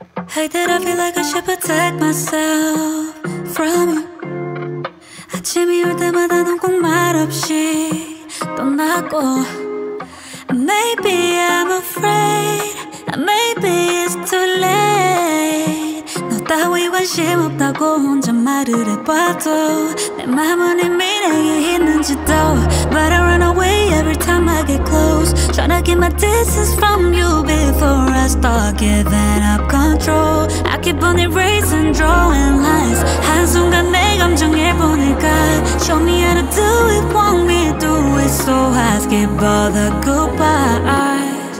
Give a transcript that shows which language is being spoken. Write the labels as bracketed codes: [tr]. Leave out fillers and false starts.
[en] Hate that I feel like I should protect myself from you. [ko] 아침이 올 때마다 넌 꼭 말없이 떠나고. [en] Maybe I'm afraid, maybe it's too late. [ko] 너 따위 관심 없다고 혼자 말을 해봐도 내 맘은 이미 내게 있는지도. [en] But I run away every time I get close, tryna keep my distance from you before I start giving up control. I keep on erasing, drawing lines. [ko] 한순간 내 감정에 보니까 [en] show me how to do it, want me do it, so I skip all the goodbyes.